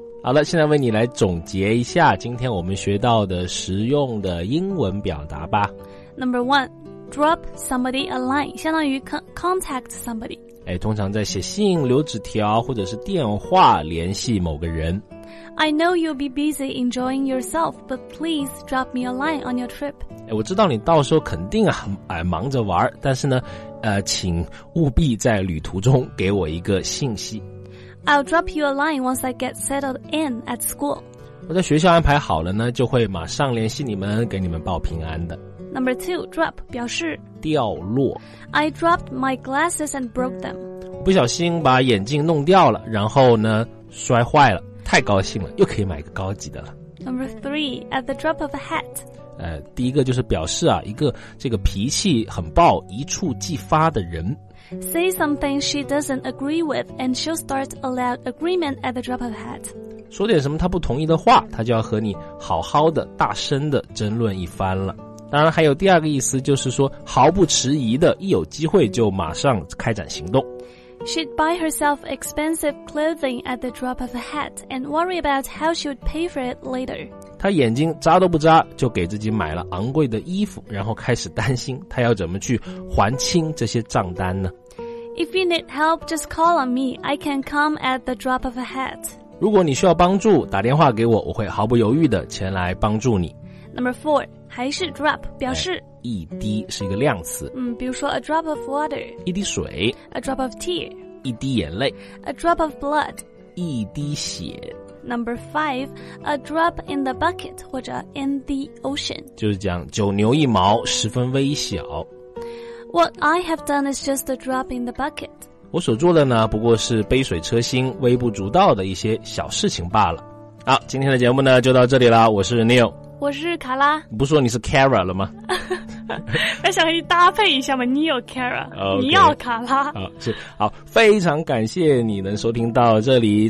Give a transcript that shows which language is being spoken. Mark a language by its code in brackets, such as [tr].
[zh] 好了，现在为你来总结一下今天我们学到的实用的英文表达吧。 [en] Number one, drop somebody a line， [zh] 相当于 [en] contact somebody。 [zh] 哎，通常在写信留纸条或者是电话联系某个人。 [en] I know you'll be busy enjoying yourself, but please drop me a line on your trip。 [zh] 哎，我知道你到时候肯定啊忙着玩，但是呢请务必在旅途中给我一个信息。 [en] I'll drop you a line once I get settled in at school。 [zh] 我在学校安排好了呢，就会马上联系你们，给你们报平安的。 [en] Number two, drop [zh] 表示掉落。 [en] I dropped my glasses and broke them. [zh] 不小心把眼镜弄掉了，然后呢摔坏了，太高兴了，又可以买个高级的了。 [en] Number three, at the drop of a hat. [zh] 第一个就是表示啊，一个这个脾气很暴、一触即发的人。 [en] Say something she doesn't agree with, and she'll start a loud agreement at the drop of a hat. [zh] 说点什么她不同意的话，她就要和你好好的、大声的争论一番了。当然还有第二个意思，就是说毫不迟疑的，一有机会就马上开展行动。 [en] She'd buy herself expensive clothing at the drop of a hat and worry about how she would pay for it later. [zh] 她眼睛眨都不眨就给自己买了昂贵的衣服，然后开始担心她要怎么去还清这些账单呢？ [en] If you need help, just call on me. I can come at the drop of a hat. [zh] 如果你需要帮助，打电话给我，我会毫不犹豫的前来帮助你。 [en] Number four, [zh] 还是 [en] drop [zh] 表示、一滴是一个量词。 [en] 比如说 a drop of water, [zh] 一滴水 [en] ,a drop of tear, [zh] 一滴眼泪 [en] ,a drop of blood, [zh] 一滴血。 [en] Number five, a drop in the bucket, [zh] 或者 [en] in the ocean, [zh] 就是讲九牛一毛，十分微小。 [en] What I have done is just a drop in the bucket. [zh] 我所做的呢不过是杯水车薪，微不足道的一些小事情罢了。好，今天的节目呢就到这里了，我是 Neil。我是卡拉。你不说你是 Kara 了吗？我想去搭配一下嘛，你有 Kara、 [en] okay, [zh] 你要卡拉。好，是好，非常感谢你能收听到这里。